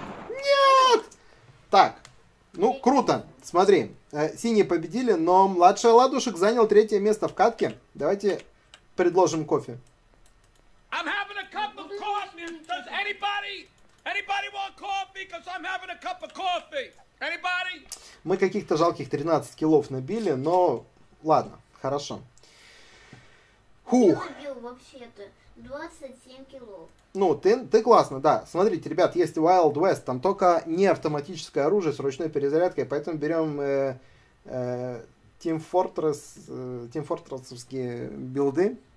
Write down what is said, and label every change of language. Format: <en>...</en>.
<ru>Нет! Так, ну круто. Смотри, синие победили, но младший Ладушек занял третье место в катке. Давайте предложим кофе.</ru> <en>I'm having a cup of coffee. Does anybody want coffee? Because I'm having a cup of coffee. Anybody?</en> <ru>Мы каких-то жалких 13 килов набили, но ладно, хорошо. Хух. Я набил вообще-то 27 килов. Ну, ты классно, да. Смотрите, ребят, есть Wild West, там только не автоматическое оружие с ручной перезарядкой, поэтому берем Team Fortress-овские билды.</ru>